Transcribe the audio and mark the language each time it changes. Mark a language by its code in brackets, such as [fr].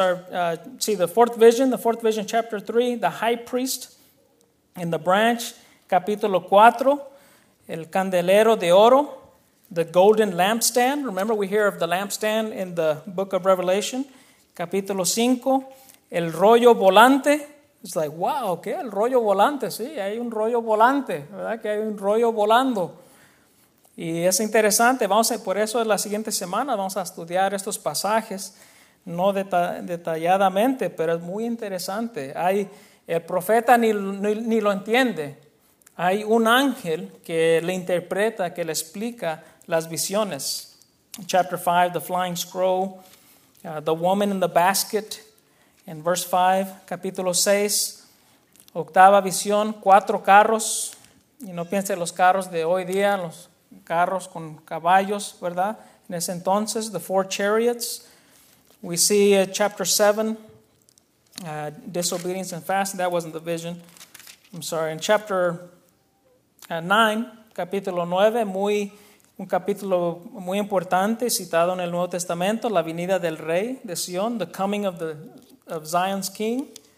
[en] The fourth vision, chapter 3, the high priest in the branch. [es] Capítulo 4, el candelero de oro, [en] the golden lampstand. Remember, we hear of the lampstand in the book of Revelation. [es] Capítulo 5, el rollo volante. [en] It's like, wow, [es] ¿qué? El rollo volante, sí, hay un rollo volante, ¿verdad? Que hay un rollo volando. Y es interesante, por eso en la siguiente semana vamos a estudiar estos pasajes, no detalladamente, pero es muy interesante. El profeta ni lo entiende. Hay un ángel que le interpreta, que le explica las visiones. [en] Chapter 5, the flying scroll, the woman in the basket. [es] En verse 5, capítulo 6, octava visión, cuatro carros. Y no piense en los carros de hoy día, los carros con caballos, ¿verdad? En ese entonces, [en] the four chariots. We see chapter 7, disobedience and fasting. That wasn't the vision. I'm sorry. In chapter 9, [es] capítulo 9, un capítulo muy importante citado en el Nuevo Testamento, la venida del rey de Sion, [en] the coming of Zion's king.